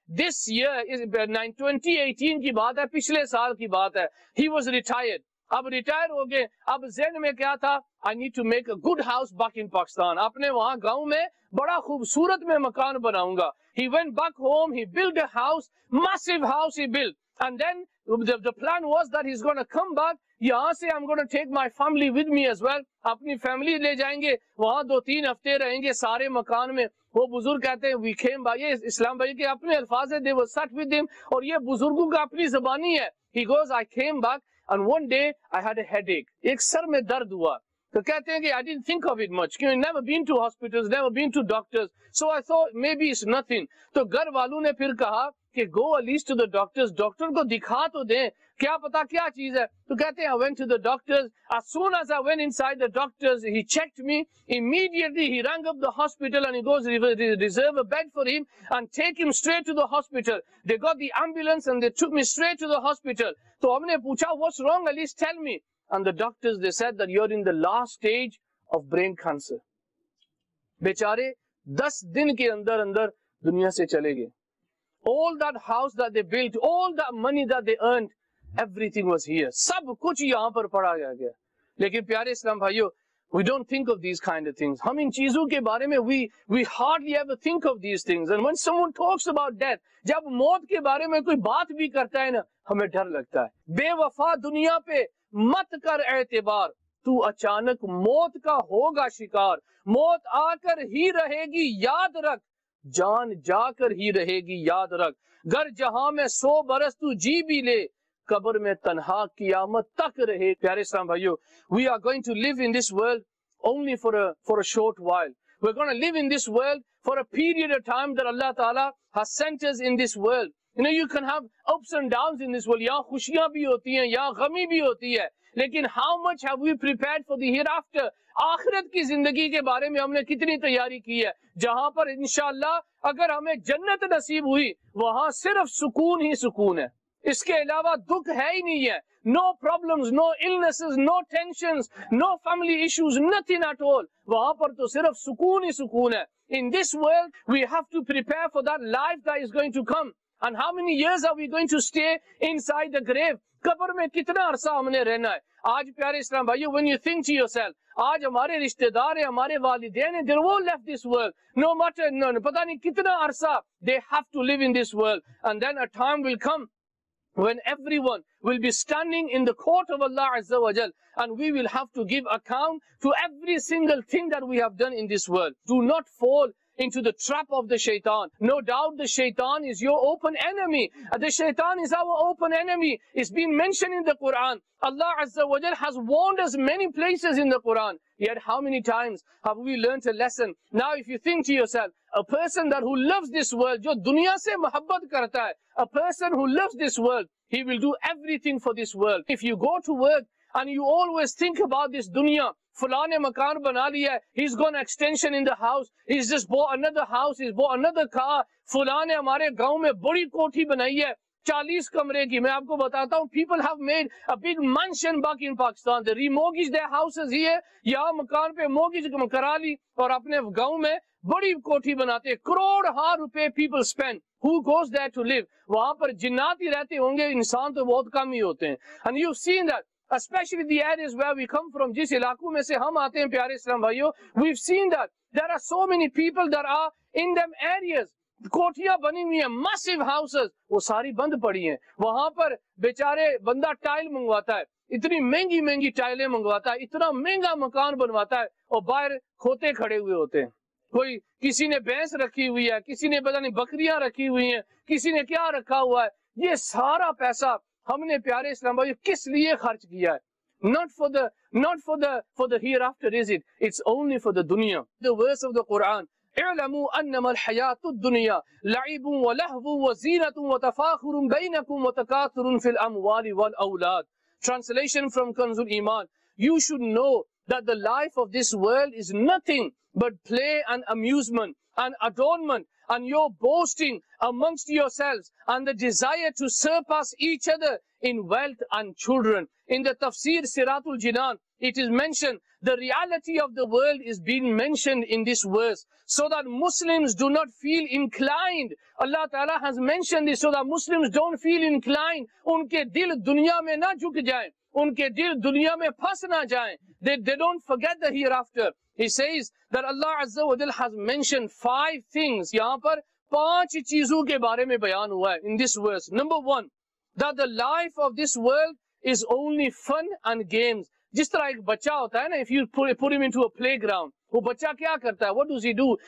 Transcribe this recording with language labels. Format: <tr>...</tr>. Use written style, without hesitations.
<en>this year 2018</en> <ur>کی بات ہے پچھلے سال کی بات ہے</ur> <en>he was retired</en> <ur>اب ریٹائر ہو گئے اب ذہن میں کیا تھا</ur> <en>I need to make a good house back in Pakistan</en> <ur>اپنے وہاں گاؤں میں بڑا خوبصورت میں مکان بناؤں گا</ur> <en>he went back home he built a house massive house he built and then the plan was that he's going to come back</en> <ur>یہاں سے</ur> <en>I'm going to take my family with me as well.</en> <ur>اپنی family لے جائیں گے وہاں دو تین ہفتے رہیں گے سارے مکان میں. وہ بزرگ کہتے ہیں</ur> <en>we came by,</en> <ur>یہ اسلام بھائی کے اپنے الفاظ ہیں,</ur> <en>they were sat with him,</en> <ur>اور یہ بزرگوں کا اپنی زبانی ہے.</ur> <en>He goes I came back and one day I had a headache,</en> <ur>ایک سر میں درد ہوا. تو کہتے ہیں کہ</ur> <en>I didn't think of it much, I've never been to hospitals, never been to doctors, so I thought maybe it's nothing.</en> <ur>تو گھر والوں نے پھر کہا کہ</ur> <en>go at least to the doctors,</en> <ur>doctor کو دکھا تو دیں کیا پتا کیا چیز ہے. تو کہتے ہیں</ur> <en>I went to the doctors, as soon as I went inside the doctors he checked me, immediately he rang up the hospital and he goes reserve a bed for him and take him straight to the hospital. They got the ambulance and they took me straight to the hospital.</en> <ur>تو ہم نے پوچھا</ur> <en>what's wrong, at least tell me. And the doctors, they said that you're in the last stage of brain cancer.</en> <ur>بیچارے 10 دن کے اندر اندر دنیا سے چلے گئے.</ur> <en>All that house that they built, all that money that they earned, everything was here.</en> <ur>سب کچھ یہاں پر پڑا گیا. لیکن پیارے اسلام بھائیو,</ur> <en>we don't think of these kind of things.</en> <ur>ہم ان چیزوں کے بارے میں</ur> <en>we hardly ever think of these things. And when someone talks about death,</en> <ur>جب موت کے بارے میں کوئی بات بھی کرتا ہے نا, ہمیں ڈر لگتا ہے. بے وفا دنیا پہ مت کر اعتبار, تو اچانک موت کا ہوگا شکار. موت آ کر ہی رہے گی یاد رکھ, جان جا کر ہی رہے گی یاد رکھ. گر جہاں میں 100 برس تو جی بھی لے, قبر میں تنہا قیامت تک رہے.</ur> <en>پیارے اسلام بھائیو, we are going to live in this world only for a short while. We're going to live in this world for a period of time that Allah Ta'ala has sent us in this world. You know, you can have ups and downs in this world.</en> <ur>یہاں خوشیاں بھی ہوتی ہیں, یہاں غمی بھی ہوتی ہے. لیکن</ur> <en>how much have we prepared for the hereafter?</en> <ur>آخرت کی زندگی کے بارے میں ہم نے کتنی تیاری کی ہے؟ جہاں پر انشاءاللہ اگر ہمیں جنت نصیب ہوئی, وہاں صرف سکون ہی سکون ہے. اس کے علاوہ دکھ ہے ہی نہیں ہے.</ur> <en>No problems, no illnesses, no tensions, no family issues, nothing at all.</en> <ur>وہاں پر تو صرف سکون ہی سکون ہے.</ur> <en>In this world, we have to prepare for that life that is going to come. And how many years are we going to stay inside the grave?</en> <ur>قبر میں کتنا عرصہ ہم نے رہنا ہے؟ آج پیارے اسلام بھائیو,</ur> <en>when you think to yourself,</en> <ur>آج ہمارے رشتہ دار ہیں, ہمارے والدین ہیں,</ur> <en>they've all left this world. No matter, no,</en> <ur>پتہ نہیں کتنا عرصہ,</ur> <en>they have to live in this world. And then a time will come when everyone will be standing in the court of Allah Azza wa Jal, and we will have to give account to every single thing that we have done in this world. Do not fall into the trap of the shaitan. No doubt the shaitan is your open enemy. The shaitan is our open enemy. It's been mentioned in the Quran. Allah Azza wa Jal has warned us many places in the Quran. Yet how many times have we learnt a lesson? Now if you think to yourself, a person that who loves this world,</en> <ur>جو دنیا سے محبت کرتا ہے,</ur> <en>a person who loves this world, he will do everything for this world. If you go to work and you always think about this dunya,</en> <ur>فلاں نے مکان بنا لیا ہے,</ur> <en>he's gone extension in the house, he's just bought another house, he's bought another car,</en> <ur>فلاں نے ہمارے گاؤں میں بڑی کوٹھی بنائی ہے 40 کمرے کی. میں آپ کو بتاتا ہوں,</ur> <en>people have made a big mansion back in Pakistan, they remortgage their houses here,</en> <ur>یا مکان پہ mortgage کرا لی اور اپنے گاؤں میں بڑی کوٹھی بناتے. کروڑ ہا روپے</ur> <en>people spend. Who goes there to live?</en> <ur>وہاں پر جنات ہی رہتے ہوں گے, انسان تو بہت کم ہی ہوتے ہیں.</ur> <en>And you've seen that, especially the areas where we come from,</en> <ur>جس علاقوں میں سے ہم آتے ہیں پیارے اسلام بھائیو,</ur> <en>we've seen that there are so many people that are in them areas,</en> <ur>کوٹیاں بنی ہوئی ہیں,</ur> <en>massive houses,</en> <ur>وہ ساری بند پڑی ہیں. وہاں پر بیچارے بندہ ٹائل منگواتا ہے, اتنی مہنگی مہنگی ٹائلیں منگواتا ہے, اتنا مہنگا مکان بنواتا ہے, اور باہر کھوتے کھڑے ہوئے ہوتے ہیں. کوئی کسی نے بھینس رکھی ہوئی ہے, کسی نے بتانے بکریاں رکھی ہوئی ہیں, کسی نے کیا رکھا ہوا ہے. یہ سارا پیسہ ہم نے پیارے اسلام بھائی کس لیے خرچ کیا ہے؟</ur> <en>not for the hereafter is it, it's only for the dunya. The verse of the Quran,</en> <ar>اعلموا انما الحياة الدنيا لعب ولهو وزينة وتفاخر بينكم وتكاثر في الاموال والاولاد.</ar> <en>Translation from Kanz al-Iman, you should know that the life of this world is nothing but play and amusement and adornment and your boasting amongst yourselves and the desire to surpass each other in wealth and children. In the tafsir Siratul Jinan, it is mentioned, the reality of the world is being mentioned in this verse so that Muslims do not feel inclined. Allah Ta'ala has mentioned this so that Muslims don't feel inclined.</en> <ur>ان کے دل دنیا میں نہ جھک جائیں, ان کے دل دنیا میں پھنس نہ جائیں.</ur> <en>They don't forget the hereafter. He says that Allah Azza wa Jal has mentioned 5 things.</en> <ur>یہاں پر 5 چیزوں کے بارے میں بیان ہوا ہے</ur> <en>in this verse. Number 1, that the life of this world is only fun and games. Just like</en> <ur>bacha hota hai na,</ur> <en>if you put him into a playground,</en> <ur>wo bacha kya karta hai?</ur> <en>What does he do?</en>